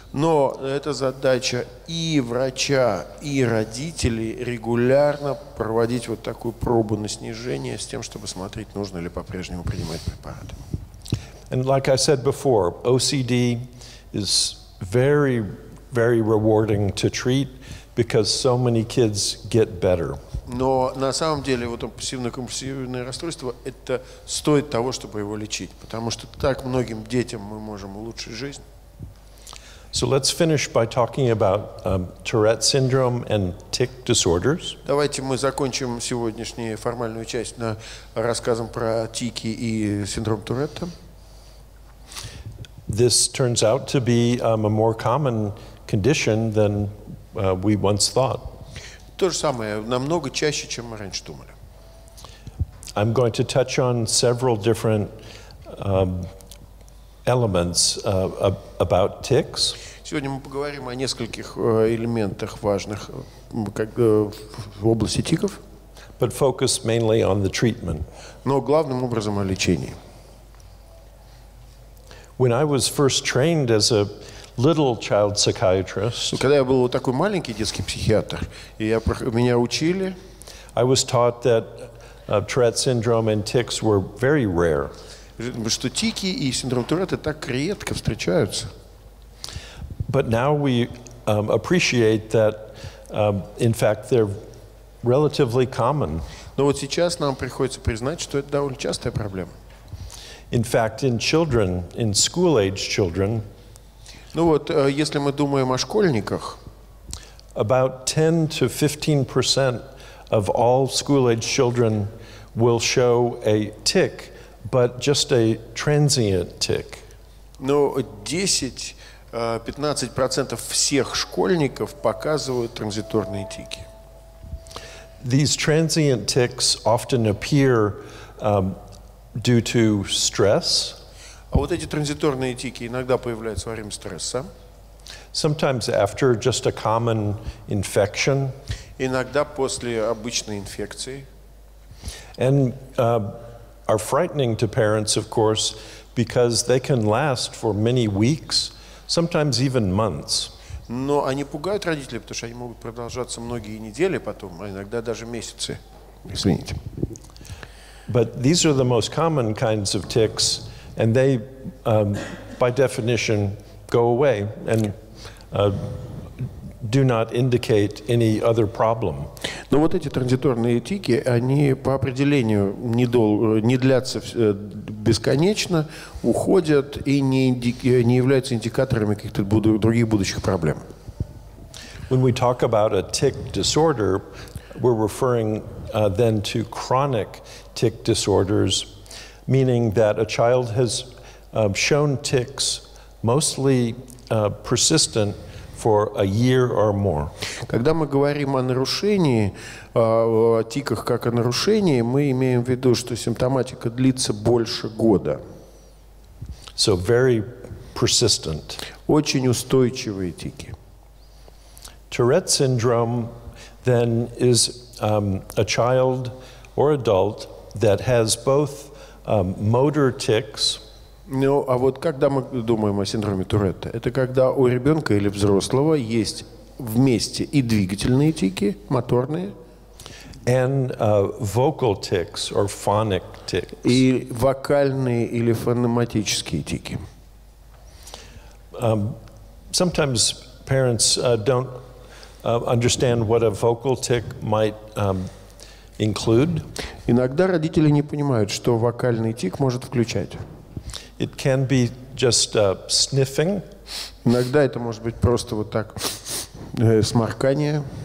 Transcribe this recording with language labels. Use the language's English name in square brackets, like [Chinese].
[Russian] Но это задача и врача, и родителей регулярно проводить вот такую пробу на снижение с тем, чтобы смотреть, нужно ли по-прежнему принимать препараты. [English] And like I said before, OCD is very, very rewarding to treat because so many kids get better. [Russian] Но на самом деле вот обсессивно-компульсивное расстройство это стоит того, чтобы его лечить, потому что так многим детям мы можем улучшить жизнь. [English] So let's finish by talking about Tourette syndrome and tic disorders. [Russian] Давайте мы закончим сегодняшнюю формальную часть на рассказом про тики и синдром Туретта. [English] This turns out to be a more common condition than we once thought. [Russian] То же самое, намного чаще, чем мы раньше думали. [English] I'm going to touch on several different elements about tics. [Russian] Сегодня мы поговорим о нескольких элементах важных в области тиков. [English] But focus mainly on the treatment. [Russian] Но главным образом о лечении. [English] When I was first trained as a little child psychiatrist. [Russian] Когда я был такой маленький детский психиатр, и меня учили. [English] I was taught that Tourette syndrome and tics were very rare. [Russian] Что тики и синдром Туретта так редко встречаются. [English] But now we appreciate that, in fact, they're relatively common. [Russian] Но вот сейчас нам приходится признать, что это довольно частая проблема. [English] In fact, in children, in school-age children. [Russian] Ну вот, если мы думаем о школьниках, [English] about 10 to 15% of all school-age children will show a tic, but just a transient tic. [Russian] Ну, 10-15% всех школьников показывают транзиторные тики. [English] These transient tics often appear due to stress. [Russian] А вот эти транзиторные тики иногда появляются во время стресса. [English] Sometimes after just a common infection. [Russian] Иногда после обычной инфекции. [English] And are frightening to parents, of course, because they can last for many weeks, sometimes even months. [Russian] Но они пугают родителей, потому что они могут продолжаться многие недели потом, а иногда даже месяцы. Извините. [English] But these are the most common kinds of tics. And they, by definition, go away and do not indicate any other problem. [Russian] Но вот эти транзиторные тики, они по определению не длятся бесконечно, уходят и не являются индикаторами каких-то других будущих проблем. [English] When we talk about a tic disorder, we're referring then to chronic tic disorders. Meaning that a child has shown tics, mostly persistent, for a year or more. [Russian] Когда мы говорим о нарушении, о тиках как о нарушении, мы имеем в виду, что симптоматика длится больше года. [English] So very persistent. [Russian] Очень устойчивые тики. [English] Tourette syndrome, then, is a child or adult that has both motor tics. [Russian] Ну, а вот когда мы думаем о синдроме Туретта, это когда у ребенка или взрослого есть вместе и двигательные тики, моторные. [English] And vocal tics or phonic tics. [Russian] И вокальные или фонематические тики. [English] Sometimes parents don't understand what a vocal tic might include. [Russian] Иногда родители не понимают, что вокальный тик может включать. [English] It can be just sniffing. [Russian] Иногда это может быть просто вот так сморкание.